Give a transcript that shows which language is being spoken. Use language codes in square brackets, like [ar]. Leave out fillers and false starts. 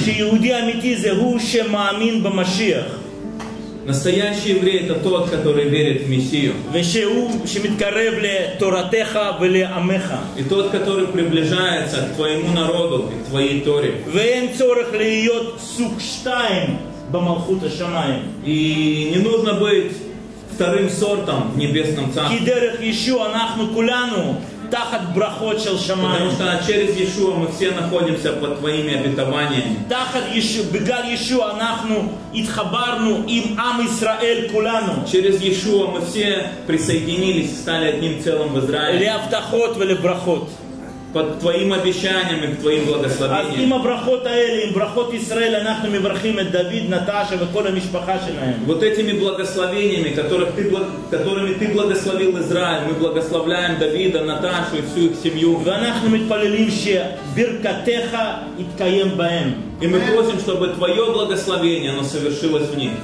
[he] שיהודי אמיתי זה הוא שמאמין במשיח [ru] настоящий еврей это тот который верит в мессию [he] ושהוא שמתקרב לתורתך ולעמך [ru] и тот который приближается к твоему народу и к твоей торе [he] ואין צורך להיות סוג שתיים במלכות השמיים [ru] и не нужно быть вторым сортом в небесном царстве [he] כי דרך ישוע אנחנו כולנו תחת ברכות של שמיים. [ru] Потому что через Иешуа мы все находимся под твоими обетованиями. [he] תחת Иешуа, בגלל Иешуа אנחנו התחברנו עם עם ישראל כולנו. [ru] Через Иешуа мы все присоединились и стали одним целым в Израиле. [he] להבטחות ולברכות. [ru] Под твоим обещанием и твоим благословением. [he] אז עם הברכות האלה, עם ברכות ישראל, אנחנו מברכים את דוד, נטשה וכל המשפחה שלהם. [ru] Вот этими благословениями, которыми ты благословил Израиль, мы благословляем Давида, Наташу и всю их семью. [he] ואנחנו מתפללים שברכתך יתקיים בהם. [ru] И мы просим, чтобы твое благословение, оно совершилось в них.